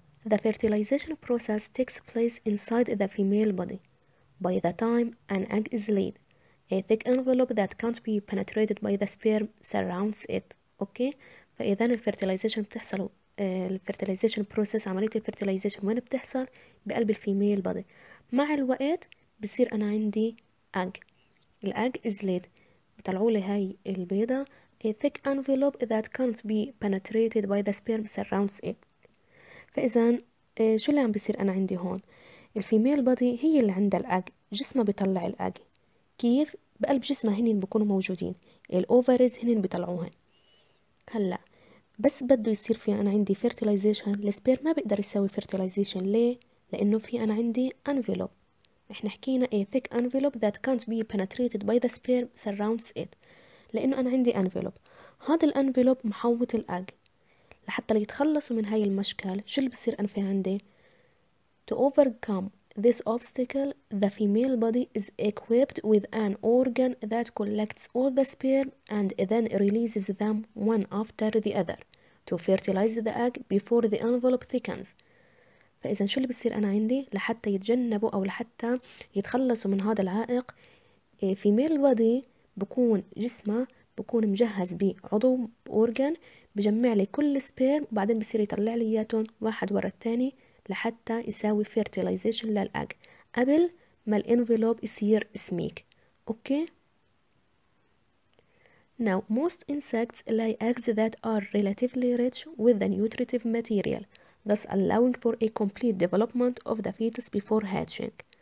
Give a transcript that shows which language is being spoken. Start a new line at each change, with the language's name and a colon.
English: The fertilization process takes place inside the female body. By the time an egg is laid, a thick envelope that can't be penetrated by the sperm surrounds it.
Arabic: Okay, فإذا الفيرتيلايزيشن بتحصل الفيرتيلايزيشن بروسيس عملية الفيرتيلايزيشن وين بتحصل؟ بقلب الفيميل بادي. مع الوقت بصير أنا عندي egg. الأج
English: is laid.
Arabic: بطلعوا لي هاي البيضة.
English: A thick envelope that can't be penetrated by the sperm surrounds it.
Arabic: فإذا شو اللي عم بصير أنا عندي هون؟ الفيميل بادي هي اللي عندها الأج. جسمها بيطلع الأج. كيف؟ بقلب جسمها هنين بكونوا موجودين. الأوفرز هنين بطلعوهن. هلا بس بده يصير في انا عندي fertilization, السبير ما بقدر يسوي fertilization. ليه؟ لانه في انا عندي envelope. احنا حكينا
English: a thick envelope that can't be penetrated by the sperm surrounds it.
Arabic: لانه انا عندي envelope. هذا الانفلوب محوط الاج. لحتى يتخلصوا من هاي المشكل شو اللي بصير انا في عندي؟
English: To overcome this obstacle, the female body is equipped with an organ that collects all the sperm and then releases them one after the other to fertilize the egg before the envelope thickens.
Arabic: فإذا شو اللي بصير أنا عندي؟ لحتى يتجنبوا أو لحتى يتخلصوا من هذا العائق,
English: female body
Arabic: بكون جسمه بكون مجهز بعضو organ بجمع لي كل السبير وبعدين بصير يطلع لي إياتهم واحد ورا الثاني لحتى يساوي fertilization للأج قبل ما الانفلوب يصير سميك.
English: Okay? Now most insects lay eggs that are relatively rich with the nutritive material, thus allowing for a complete development of the fetus before hatching.